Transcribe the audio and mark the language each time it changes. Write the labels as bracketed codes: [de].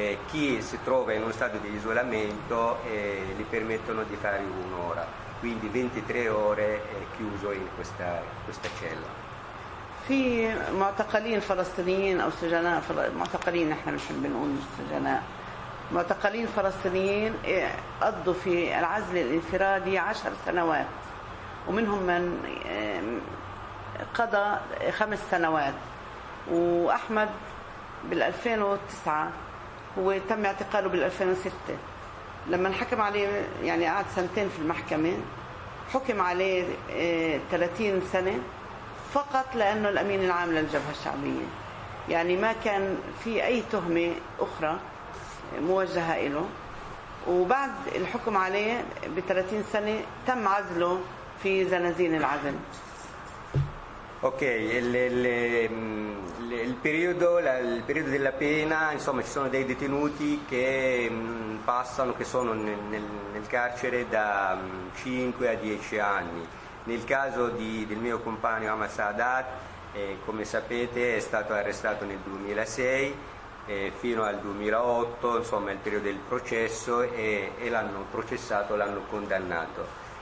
[it] Chi si trova in uno stato di isolamento gli permettono di fare un'ora, quindi 23 ore chiuso in questa cella. [ar] في معتقلين فلسطينيين او سجناء معتقلين احنا مش بنقول سجناء معتقلين فلسطينيين قضوا في العزل الانفرادي 10 سنوات ومنهم من قضى 5 سنوات واحمد بال 2009 هو تم اعتقاله بال 2006 لما انحكم عليه يعني قعد سنتين في المحكمة حكم عليه 30 سنة فقط لأنه الأمين العام للجبهة الشعبية يعني ما كان في أي تهمة أخرى موجهة إله وبعد الحكم عليه ب 30 سنة تم عزله في زنازين العزل. [it] Ok, il periodo della pena, insomma ci sono dei detenuti che passano, che sono nel carcere da 5 a 10 anni. Nel caso del mio compagno Hamas Haddad, come sapete è stato arrestato nel 2006 fino al 2008, insomma è il periodo del processo e l'hanno processato, l'hanno condannato.